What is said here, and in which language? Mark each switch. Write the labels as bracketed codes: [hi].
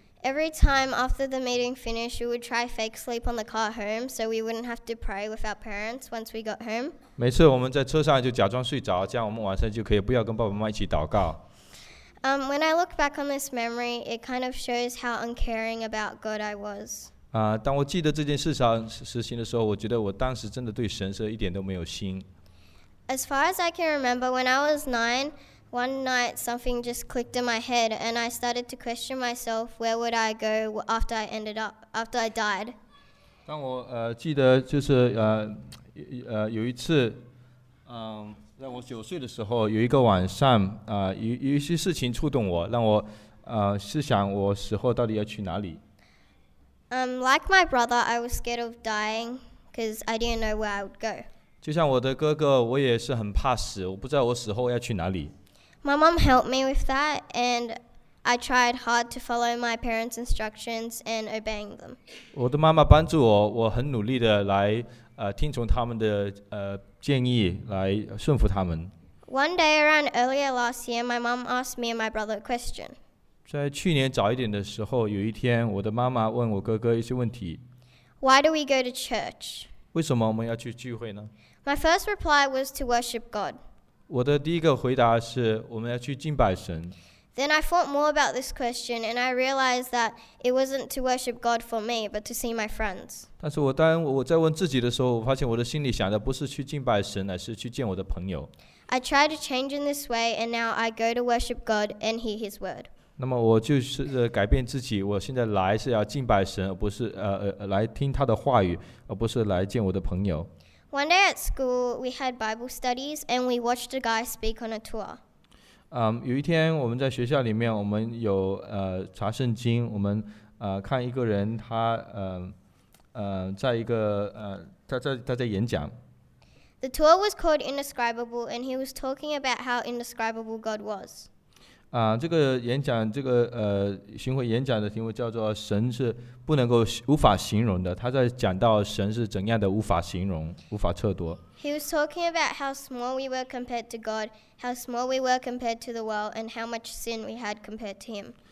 [en] Every time after the meeting finished, we would try fake sleep on the car home so we wouldn't have to pray with our parents once we got home. [zh] 每次我们在车上就假装睡着，这样我们晚上就可以不要跟爸爸妈妈一起祷告。 [en] When I look back on this memory, it kind of shows how uncaring about God I was. [zh] 当我记得这件事实行的时候，我觉得我当时真的对神是一点都没有心。 [en] As far as I can remember, when I was nine, one night something just clicked in my head, and I started to question myself, where would I go after I died? [zh] 当我记得就是有一次，在我九岁的时候，有一个晚上，有一些事情触动我，让我思想我死后到底要去哪里。 [en] Like my brother, I was scared of dying because I didn't know where I would go. [zh] 就像我的哥哥，我也是很怕死，我不知道我死后要去哪里。 [en] My mom helped me with that, and I tried hard to follow my parents' instructions and obeying them. [zh] 我的妈妈帮助我，我很努力的来听从他们的建议，来顺服他们。 [en] One day around earlier last year, my mom asked me and my brother a question. [zh] 在去年早一点的时候，有一天我的妈妈问我哥哥一些问题。 [en] Why do we go to church? [zh] 为什么我们要去聚会呢？ [en] My first reply was to worship God. [zh] 我的第一个回答是我们要去敬拜神。 [en] Then I thought more about this question and I realized that it wasn't to worship God for me, but to see my friends. [zh] 但是当我在问自己的时候，我发现我的心里想的不是去敬拜神，而是去见我的朋友。 [en] I try to change in this way, and now I go to worship God and hear His word. [zh] 那么我就是改变自己，我现在来是要敬拜神，而不是来听他的话语，而不是来见我的朋友。 [en] One day at school, we had Bible studies, and we watched a guy speak on a tour. [zh] 有一天我们在学校里面，我们有查圣经，我们看一个人他在一个他在演讲。 [en] The tour was called Indescribable, and he was talking about how indescribable God was. [zh] 这个演讲，这个巡回演讲的题目叫做“神是不能够无法形容的”。他在讲到神是怎样的无法形容、无法测度。 [en] He was talking about how small we were compared to God, how small we were compared to the world, and how much sin we had compared to Him.